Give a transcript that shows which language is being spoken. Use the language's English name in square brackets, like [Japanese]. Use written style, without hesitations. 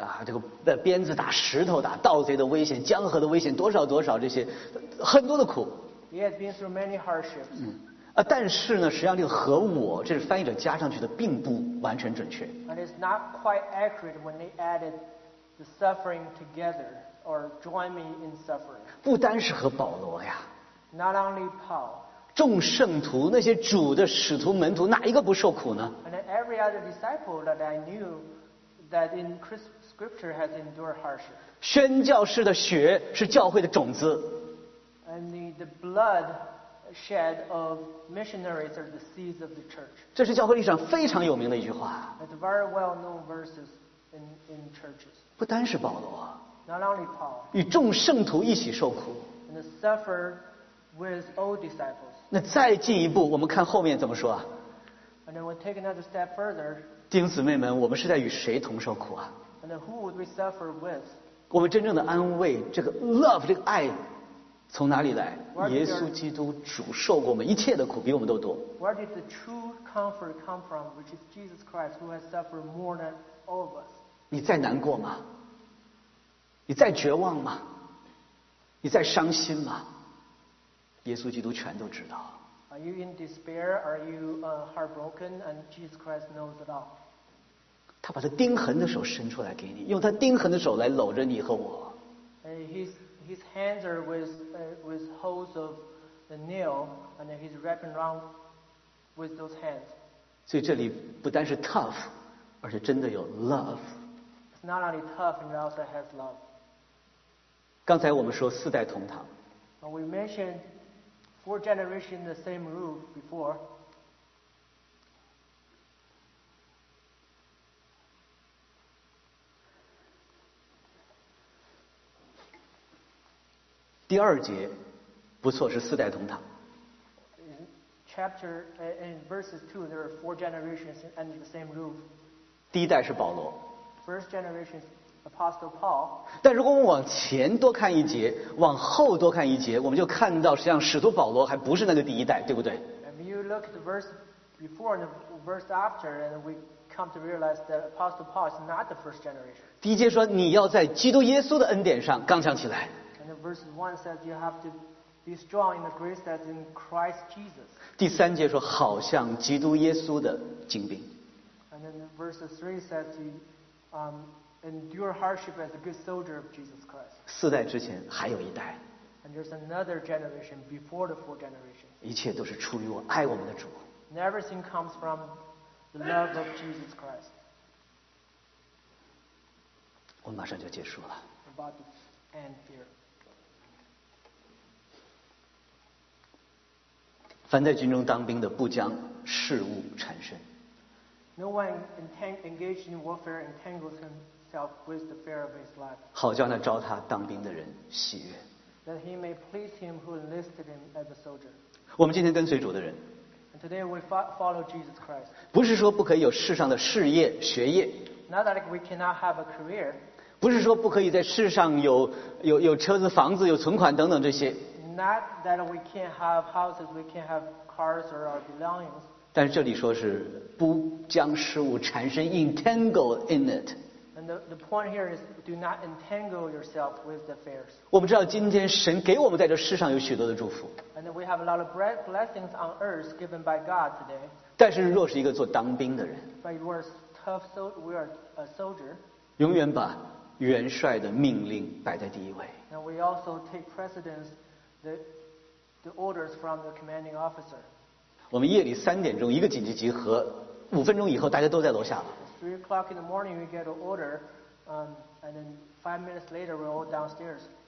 [Chinese] 啊，这个鞭子打石头打盗贼的危险江河的危险多少多少这些很多的苦 [English] he has been through many hardships、 [Chinese] 但是呢实际上这个和我这是翻译者加上去的并不完全准确 [English] and it's not quite accurate when they added the suffering together or join me in suffering [Chinese] 不单是和保罗呀 [English] not only Paul [Chinese] 众圣徒那些主的使徒门徒哪一个不受苦呢 [English] and every other disciple that I knewThat in Scripture has endured hardship. [Chinese] 宣教士的血是教会的种子。 [English] And the blood shed of missionaries are the seeds of the church. [Chinese] 这是教会历史上非常有名的一句话。 [English] It's very well known verses in churches. [Chinese] 不单是保罗。 [English] Not only Paul. [Chinese] 与众圣徒一起受苦。 [English] And suffer with all disciples. [Chinese] 那再进一步，我们看后面怎么说啊？ [English] And then we take another step further. [Chinese] 弟兄姊妹们，我们是在与谁同受苦啊？ [English] And then who would we suffer with? [Chinese] 我们真正的安慰，这个 [English] love， [Chinese] 这个爱从哪里来？耶稣基督主受过我们一切的苦，比我们都多。 [English] Where did the true comfort come from, which is Jesus Christ, who has suffered more than all of us? [Chinese] 你再难过吗？你再绝望吗？你再伤心吗？耶稣基督全都知道。 [English] Are you in despair? Are you heartbroken? And Jesus Christ knows it all. [Chinese] 他把他钉痕的手伸出来给你，用他钉痕的手来搂着你和我。 [English] His hands are with holes of the nail, and he's wrapping around with those hands. [Chinese] 所以这里不单是 [English] tough， [Chinese] 而且真的有 [English] love。 It's not only tough, and it also has love. [Chinese] 刚才我们说四代同堂。 [English] We mentioned four generations in the same roof before. [Chinese] 第二节，不错，是四代同堂。 [English] Chapter in verses two, there are four generations under the same roof. [Chinese] 第一代是保罗。 [English] First generation is Apostle Paul. [Chinese] 但如果我们往前多看一节，往后多看一节，我们就看到实际上使徒保罗还不是那个第一代，对不对 [English] ？If you look at the verse before and the verse after, and we come to realize that Apostle Paul is not the first generation. [Chinese] 第一节说你要在基督耶稣的恩典上刚强起来。 [English] And verse one says you have to be strong in the grace that's in Christ Jesus. [Chinese] 第三节说好像基督耶稣的精兵。 [English] And then verse three says you endure hardship as a good soldier of Jesus Christ. [Chinese] 四代之前还有一代。 [English] And there's another generation before the four generations. [Chinese] 一切都是出于我爱我们的主。 [English] And everything comes from the love of Jesus Christ. [Chinese] 我马上就结束了。 [English] About to end here. [Chinese] 凡在军中当兵的，不将事务缠身。 [English] No one engaged in warfare entangles himself with the affair of his life. [Chinese] 好叫那招他当兵的人喜悦。 [English] That he may please him who enlisted him as a soldier. [Chinese] 我们今天跟随主的人。 [English] And today we follow Jesus Christ. [Chinese] 不是说不可以有世上的事业、学业。 [English] Not that we cannot have a career. [Chinese] 不是说不可以在世上有车子、房子、有存款等等这些。 [English] Not that we can't have houses, we can't have cars or our belongings. [Chinese] 但是这里说是不将事物缠身 [English] entangle in it. And the point here is do not entangle yourself with the affairs. [Chinese] 我们知道今天神给我们在这世上有许多的祝福。 [English] And we have a lot of blessings on earth given by God today. [Chinese] 但是若是一个做当兵的人。 [English] But if we're a tough soldier, we are a soldier. [Chinese] 永远把元帅的命令摆在第一位。 [English] And we also take precedence. The orders from the commanding officer. [Chinese] 我们夜里三点钟一个紧急集合，五分钟以后大家都在楼下了。 [English] Three o'clock in the morning we get an order, and then 5 minutes later we're all downstairs.